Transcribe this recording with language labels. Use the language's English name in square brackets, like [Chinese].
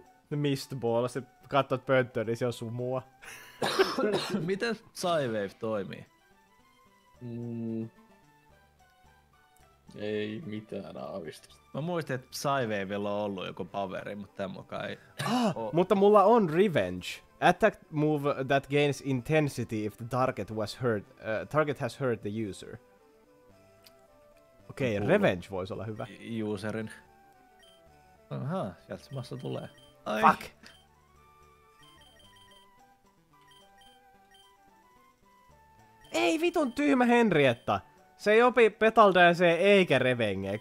[Finnish] Mistball, sit katsot pönttöön, niin se on sumua. Miten Psywave toimii? Ei mitään aavistusta. Mä muistin, että Psywavella on ollut joku poweri, mutta tämän mukaan ei. Mutta mulla on Revenge. [English] Attack move that gains intensity if the target was hurt. Target has hurt the user. [Finnish] Okei, okay, Revenge voisi olla hyvä. Userin. Aha, sieltä se massa tulee. Ai. Fuck! Ei vitun tyhmä Henrietta! Se ei opi Petaldanceen eikä Revengeen.